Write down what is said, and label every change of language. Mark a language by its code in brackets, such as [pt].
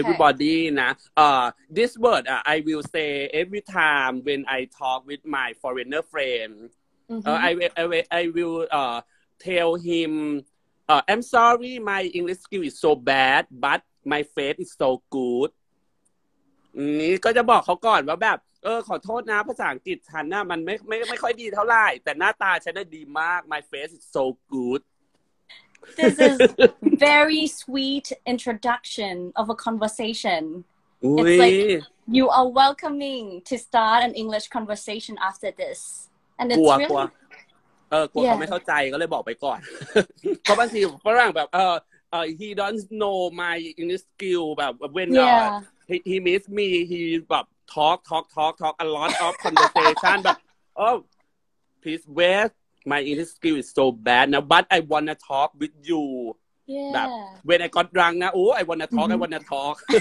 [en] everybody, nah. This word, I will say every time when I talk with my foreigner friend. I will tell him, I'm sorry, my English skill is so bad, but my face is so good. [th] นี่ก็จะบอกเขาก่อนว่าแบบขอโทษนะภาษาอังกฤษฉันน่ะมันไม่ค่อยดีเท่าไหร่แต่หน้าตาฉันน่ะดีมาก [en] my face is so good This is very sweet introduction of a conversation. It's like you are welcoming to start an English conversation after this. And it's really... [th] กลัวเขาไม่เข้าใจก็เลยบอกไปก่อนเพราะบางทีฝรั่งแบบ [en] he don't know my English skill แบบ when he meets me he แบบ talk a lot of conversation แบบ oh please wait my English skill is so bad now but I wanna talk with you แบบ when I got drunk นะ oh I wanna talk